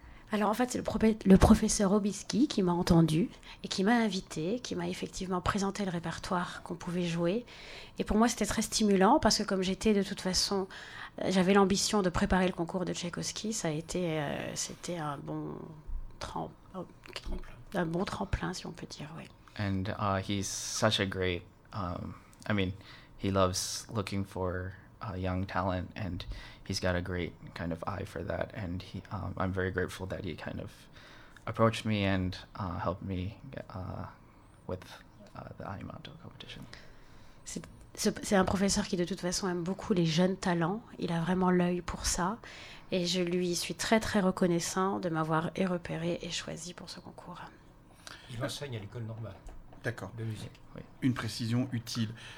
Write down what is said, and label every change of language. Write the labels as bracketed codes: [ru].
[fr] Alors en fait c'est le professeur Obisky qui m'a entendu et qui m'a invité, qui m'a effectivement présenté le répertoire qu'on pouvait jouer. Et pour moi c'était très stimulant parce que comme j'étais de toute façon, j'avais l'ambition de préparer le concours de Tchaïkovski, ça a été, c'était un bon tremplin si on peut dire, oui. [en] And he's such a great, I mean, he loves looking for young talent and... He's got a great kind of eye for that, and I'm very grateful that he kind of approached me and helped me get, with the Animato competition. [fr] C'est un professeur qui de toute façon aime beaucoup les jeunes talents. Il a vraiment l'œil pour ça, et je lui suis très très reconnaissant de m'avoir repéré et choisi pour ce concours. Il enseigne à l'école normale. D'accord. De musique. Oui. Une précision utile.